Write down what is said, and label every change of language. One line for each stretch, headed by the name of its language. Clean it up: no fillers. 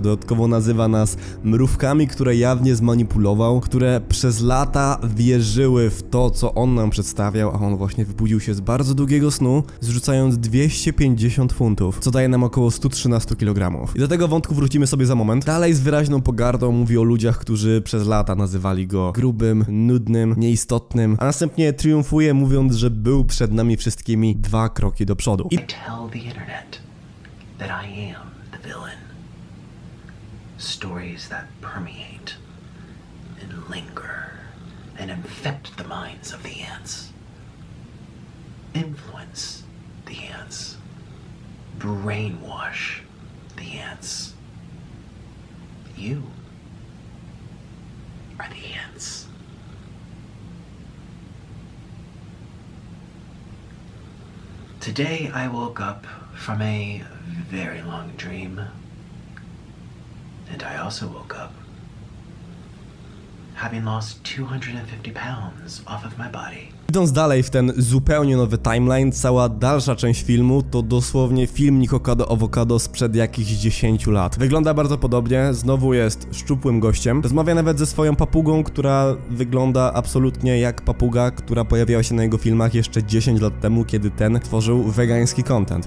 Polish: Dodatkowo nazywa nas mrówkami, które jawnie zmanipulował, które przez lata wierzyły w to, co on nam przedstawiał, a on właśnie wybudził się z bardzo długiego snu, zrzucając 250 funtów, co daje nam około 113 kg. I do tego wątku wrócimy sobie za moment. Dalej z wyraźną pogardą mówi o ludziach, którzy przez lata nazywali go grubym, nudnym, nieistotnym, a następnie triumfuje, mówiąc, że był przed nami wszystkimi 2 kroki do przodu.
English: I tell the internet that I am the villain. Stories that permeate and linger and infect the minds of the ants, influence the ants, brainwash the ants. You are the ants. Today I woke up from a very long dream. And I also woke up having lost 250 pounds off of my body.
Polish: Idąc dalej w ten zupełnie nowy timeline, cała dalsza część filmu to dosłownie film Nikokado Avocado sprzed jakichś 10 lat. Wygląda bardzo podobnie, znowu jest szczupłym gościem. Rozmawia nawet ze swoją papugą, która wygląda absolutnie jak papuga, która pojawiała się na jego filmach jeszcze 10 lat temu, kiedy ten tworzył wegański content.